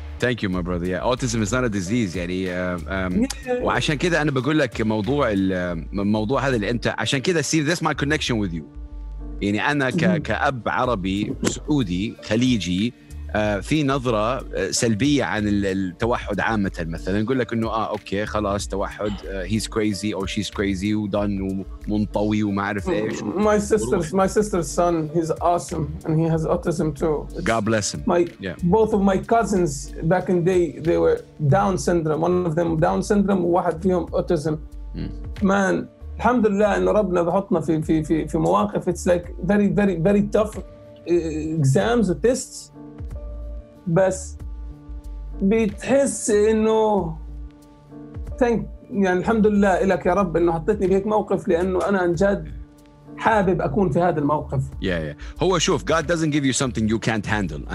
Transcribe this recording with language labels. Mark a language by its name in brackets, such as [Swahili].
[English] Thank you, my brother. Yeah, autism is not a disease. [Arabic] يعني وعشان كده أنا بقول لك موضوع الموضوع هذا اللي أنت عشان كده [English] see this my connection with you. [Arabic] يعني أنا كأب عربي سعودي خليجي في نظرة سلبية عن التوحد عامة مثلا نقول لك إنه أوكي خلاص توحد [English] he's crazy or she's crazy [Arabic] ودان ومنطوي وما أعرف إيش. [English] My sister's son, he's awesome and he has autism too. God bless him. Both of my cousins back in day they were Down syndrome. One of them Down syndrome [Arabic] وواحد فيهم [English] autism. Man, [Arabic] الحمد لله إن ربنا بحطنا في في في في مواقف [English] it's like very very very tough exams or tests. [Arabic] بس بتحس انه [English] thank [Arabic] يعني الحمد لله لك يا رب انه حطيتني بهيك موقف لانه انا عن جد حابب اكون في هذا الموقف. [English] Yeah. [Arabic] هو شوف [English] God doesn't give you something you can't handle.